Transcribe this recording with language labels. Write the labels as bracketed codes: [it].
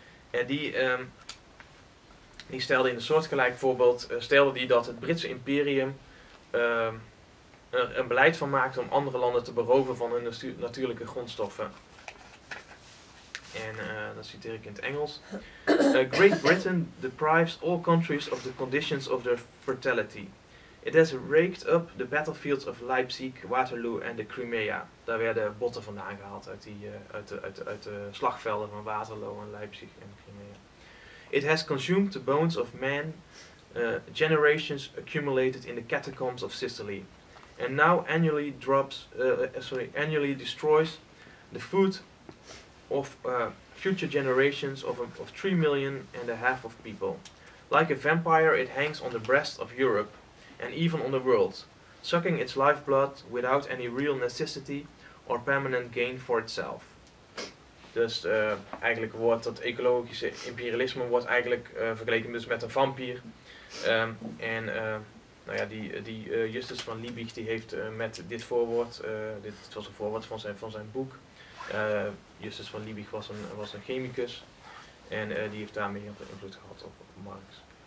[nl] En die stelde in een soortgelijk voorbeeld, stelde die dat het Britse imperium er een beleid van maakte om andere landen te beroven van hun natuurlijke grondstoffen. En dat citeer ik in het Engels. [en] Great Britain deprives all countries of the conditions of their fertility. It has raked up the battlefields of Leipzig, Waterloo [nl] en de [en] Crimea. [nl] Daar werden botten vandaan gehaald uit, de slagvelden van Waterloo en Leipzig en Crimea. [en] It has consumed the bones of men, generations accumulated in the catacombs of Sicily. And now annually destroys the food of future generations of 3.5 million of people. Like a vampire, it hangs on the breast of Europe and even on the world, sucking its lifeblood without any real necessity or permanent gain for itself. [nl] Dus eigenlijk wordt dat ecologische imperialisme wordt eigenlijk vergeleken dus met een vampier. En die Justus van Liebig die heeft met dit voorwoord, dit was een voorwoord van zijn boek. Justus van Liebig was een chemicus en die heeft daarmee heel veel invloed gehad op Marx.